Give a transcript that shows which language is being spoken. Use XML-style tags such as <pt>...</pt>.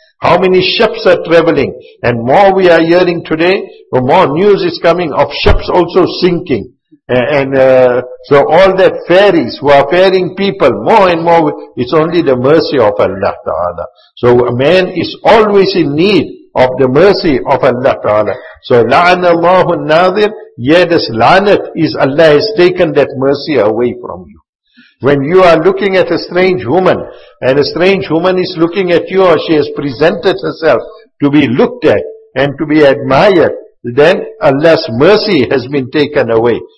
<en>How many ships are traveling? And more we are hearing today, the more news is coming of ships also sinking. So all that ferries who are ferrying people, more and more, it's only the mercy of Allah Ta'ala. So a man is always in need of the mercy of Allah Ta'ala.</en> <ar>So, لَعَنَ اللَّهُ النَّاظِرُ.</ar> <en>Yeah, this لَعَنَةُ is Allah has taken that mercy away from you. When you are looking at a strange woman, and a strange woman is looking at you, or she has presented herself to be looked at and to be admired, then Allah's mercy has been taken away.</en>